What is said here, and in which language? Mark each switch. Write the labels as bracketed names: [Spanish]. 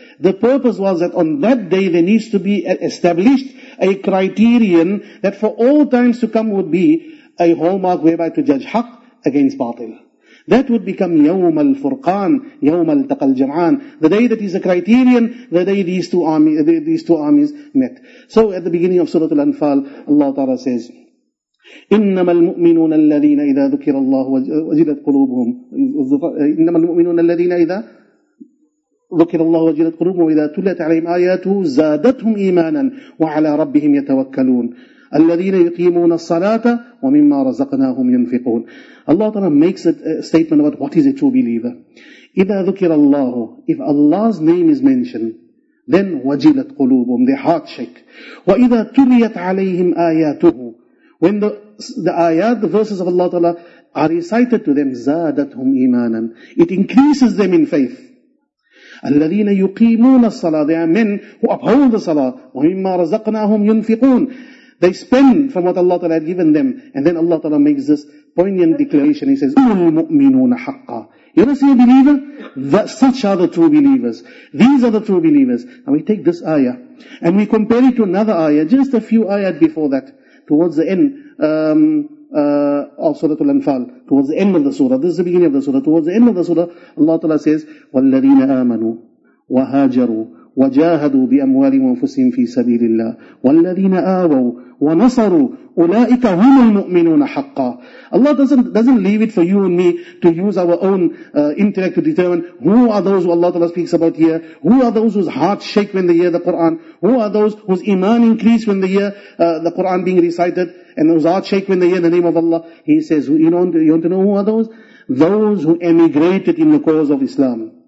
[English] The purpose was that on that day there needs to be established a criterion that for all times to come would be a hallmark whereby to judge haq against batil. That would become Yawm al-Furqan, Yawm al-Taqal Jam'an, the day that is a criterion, the day these two armies met. So at the beginning of Surah Al-Anfal, Allah Ta'ala says, [Arabic] إنما المؤمنون الذين إذا ذكر الله وجلت قلوبهم إنما المؤمنون الذين إذا ذكر الله وجلت قلوبهم وإذا تلت عليهم آياته زادتهم إيمانا وعلى ربهم يتوكلون الذين يقيمون الصلاة ومما رزقناهم ينفقون. [English] Allah Ta'ala makes a statement about what is a true believer. [Arabic] إذا ذكر الله, [English] if Allah's name is mentioned, then [Arabic] وجلت قلوبهم, [English] their hearts shake. [Arabic] وإذا تلت عليهم آياته, [English] when the ayat, the verses of Allah Ta'ala are recited to them, [Arabic] zadatum imanan, [English] it increases them in faith. [Arabic] Alladhina yuqimuna as-salah, [English] they are men who uphold the salah. [Arabic] Wa mimma razaqnahum yunfiqun, [English] they spend from what Allah Ta'ala had given them. And then Allah Ta'ala makes this poignant declaration. He says, [Arabic] ul mu'minuna haqqan. [English] You ever see a believer? Such are the true believers. These are the true believers. Now we take this ayah and we compare it to another ayah, just a few ayat before that, towards the end of Surah Al-Anfal, towards the end of the surah. This is the beginning of the surah. Towards the end of the surah, Allah Ta'ala says, [Arabic] وَالَّذِينَ آمَنُوا وَهَاجَرُوا وَجَاهَدُوا بِأَمْوَالِهِمْ وَأَنفُسِهِمْ فِي سَبِيلِ اللَّهِ وَالَّذِينَ آوَوْا وَنَصَرُوا أُولَٰئِكَ هُمُ الْمُؤْمِنُونَ حَقًّا. [English] Allah doesn't leave it for you and me to use our own intellect to determine who are those who Allah Ta'ala speaks about here, who are those whose hearts shake when they hear the Qur'an, who are those whose iman increase when they hear the Qur'an being recited, and whose hearts shake when they hear the name of Allah. He says, you want to know who are those? Those who emigrated in the cause of Islam.